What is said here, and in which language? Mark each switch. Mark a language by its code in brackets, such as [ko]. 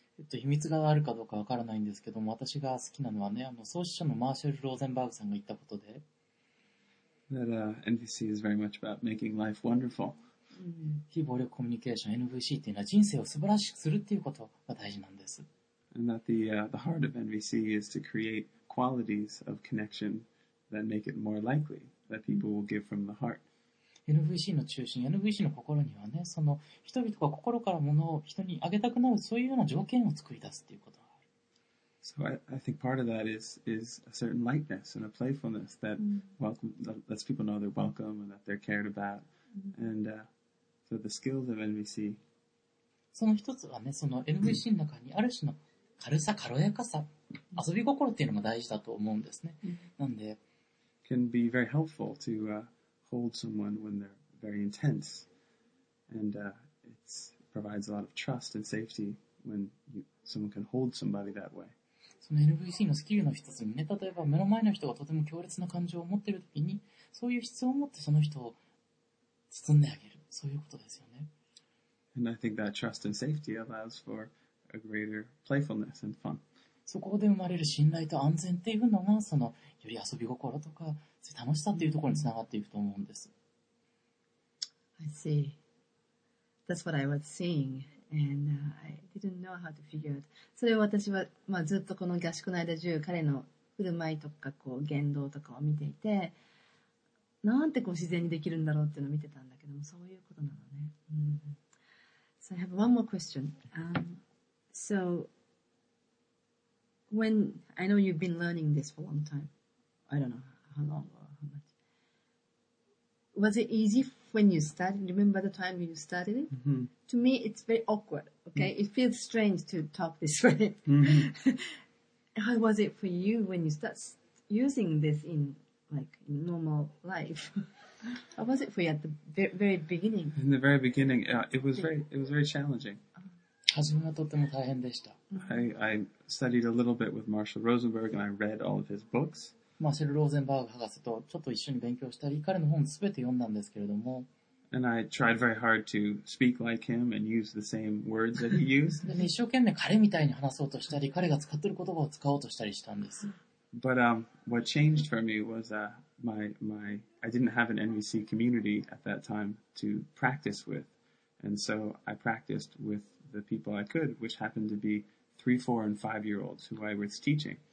[ja] 秘密があるかどうかわからないんですけども、私が好きなのはね、創始者のマーシャル・ローゼンバーグさんが言ったことで。 [en] That, NVC is very much about making life wonderful. [ja] 非暴力コミュニケーション、NVC っていうのは人生を素晴らしくするっていうことが大事なんです。 [en] And that the heart of NVC is to create qualities of connection that make it more likely that people will give from the heart. [ja] NVC の中心、NVC の心にはね、その人々が心から物を人にあげたくなる、そういうような条件を作り出すということがある。 [en] So I think part of that is a certain lightness and a playfulness that welcome, lets people know they're welcome and that they're cared about. And so the skills of NVC. [ja] その一つはね、その NVC の中にある種の軽さ、軽やかさ、遊び心っていうのも大事だと思うんですね。なんで。 [en] Can be very helpful to,hold someone when they're very intense and it provides a lot of trust and safety when someone can hold somebody that way. [ja] その NVC のスキルの一つにね、例えば目の前の人がとても強烈な感情を持っているときに、そういう必要を持ってその人を包んであげる、そういうことですよね。 [en] And I think that trust and safety allows for a greater playfulness and fun. [ja] そこで生まれる信頼と安全っていうのが、そのより遊び心とか楽しさっていうところにつながっていくと思うんです。 [en] I see. That's what I was seeing, and、I didn't know how to figure out. [ja] それを私は、まあ、ずっとこの合宿の間中、彼の振る舞いとかこう言動とかを見ていて、なんてこう自然にできるんだろうっていうのを見てたんだけども、そういうことなのね。 Mm-hmm. [en] So I have one more question.、So when I know you've been learning this for a long time, I don't know. How long or how much? Was it easy when you started? Remember the time you started it? Mm-hmm. To me, it's very awkward. Okay, mm-hmm. It feels strange to talk this way. Mm-hmm. How was it for you when you start using this in like in normal life? How was it for you at the very beginning? In the very beginning, it was very challenging. [ja] 初めはとても大変でした。 [en] I studied a little bit with Marshall Rosenberg and I read all of his books. [ja] マーシェル・ローゼンバーグ博士とちょっと一緒に勉強したり、彼の本すべて読んだんですけれども。 [en] And I tried very hard to speak like him and use the same words that he used. [ja] で、ね、一生懸命彼みたいに話そうとしたり、彼が使ってる言葉を使おうとしたりしたんです。 [en] But, what changed for me was, I didn't have an NVC community at that time to practice with. And so I practiced with the people I could, which happened to be 3, 4, and 5 year olds who I was teaching.